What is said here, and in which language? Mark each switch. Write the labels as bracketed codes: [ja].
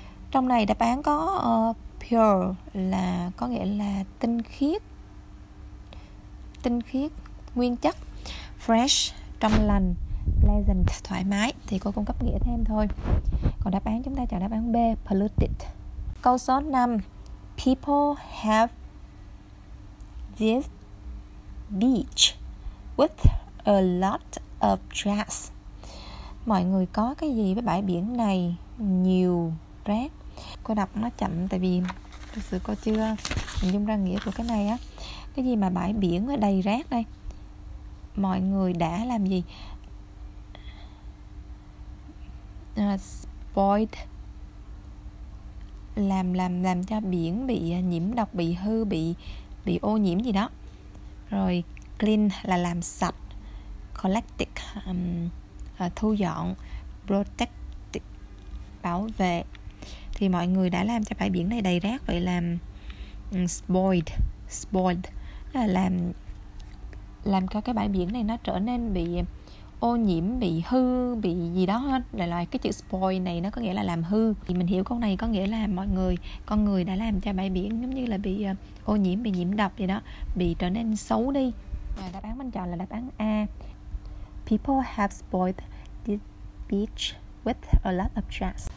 [vi] Trong này đáp án có pure là có nghĩa là tinh khiết. Tinh khiết, nguyên chất. Fresh, trong lành. Pleasant, thoải mái. Thì cô cung cấp nghĩa thêm thôi. Còn đáp án chúng ta chọn đáp án B, polluted. Câu số 5. [en] People have this beach with a lot of trash. [vi] Mọi người có cái gì với bãi biển này nhiều rác. Cô đọc nó chậm tại vì thực sự cô chưa hình dung ra nghĩa của cái này á. Cái gì mà bãi biển đầy rác đây? Mọi người đã làm gì? Spoiled, làm cho biển bị nhiễm độc, bị hư, bị ô nhiễm gì đó. Rồi clean là làm sạch. Collecting, thu dọn. Protecting, bảo vệ. Thì mọi người đã làm cho bãi biển này đầy rác. Vậy làm spoiled là làm cho cái bãi biển này nó trở nên bị ô nhiễm, bị hư, bị gì đó hết. Là cái chữ spoil này nó có nghĩa là làm hư. Thì mình hiểu câu này có nghĩa là mọi người, con người đã làm cho bãi biển giống như là bị ô nhiễm, bị nhiễm độc gì đó, bị trở nên xấu đi. Và đáp án mình chọn là đáp án A. [en] People have spoiled this beach with a lot of trash.